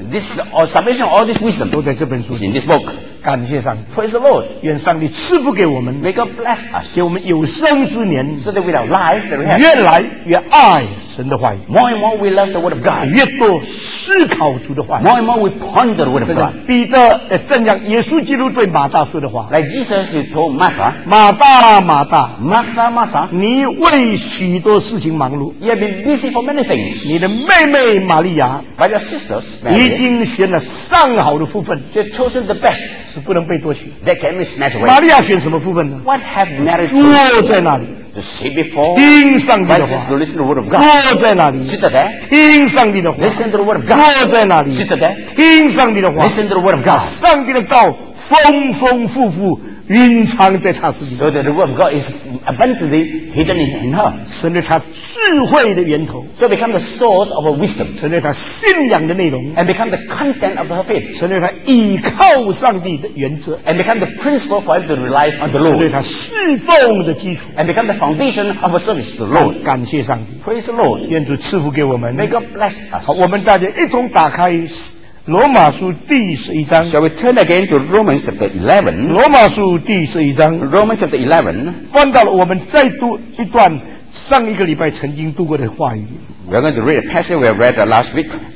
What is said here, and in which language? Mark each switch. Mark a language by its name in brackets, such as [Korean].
[English] this all salvation, all this wisdom, [Chinese] 都在这本书 [English] in this book, [Chinese] 感谢上帝 [English] praise the Lord, [Chinese] 愿上帝赐福给我们 [English] may God bless us, [Chinese] 给我们有生之年 [English] so that with our lives that we have, [Chinese] 越来越爱神的话语 [English] more and more we love the word of God, [Chinese] 越多思考主的话语 [English] more and more we ponder the word of God, [Chinese] 彼得正像耶稣基督对马大说的话 [English] like Jesus told Martha, [Chinese] 马大马大 [English] Martha, Martha, [Chinese] 你为许多事情忙碌 [English] you have been busy for many things, [Chinese] 你的妹妹玛利亚 [English] by your sisters, Mary, [Chinese] 已经选了上好的福分 [English] she chosen the best, [Chinese] 是不能被夺取 [English] that can be snatched away, [Chinese] 玛利亚选什么福分呢 [English] what have Mary chosen, [Chinese] 坐在那里 [English] To sit before, [Chinese] 听上帝的话 [English] to listen to the word of God. [Chinese] 坐在那里 [English] sit there, [Chinese] 听上帝的话 [English] listen to the word of God. [Chinese] 坐在那里 [English] sit there, [Chinese] 听上帝的话 [English] listen to the word of God. [Chinese] 上帝的道丰丰富富蕴藏在他自己 [English] so that the word of God is abundantly hidden in her. [Chinese] 成了他智慧的源头 [English] so become the source of her wisdom. [Chinese] 成了他信仰的内容 [English] and become the content of her faith. [Chinese] 成了他依靠上帝的原则 [English] and become the principle for him to rely on the Lord. [Chinese] 成了他侍奉的基础 [English] and become the foundation of her service to the Lord. [Chinese] 感谢上帝 [English] praise the Lord. [Chinese] 愿主赐福给我们 [English] may God bless us. [Chinese] 好，我们大家一同打开罗马书第十一章 [English] Shall we turn again to Romans chapter 11? [Chinese] 罗马书第十一章 [English] Romans chapter 11 [Chinese] 翻到了我们再读一段上一个礼拜曾经读过的话语 [English] We are going to read a passage we have read last week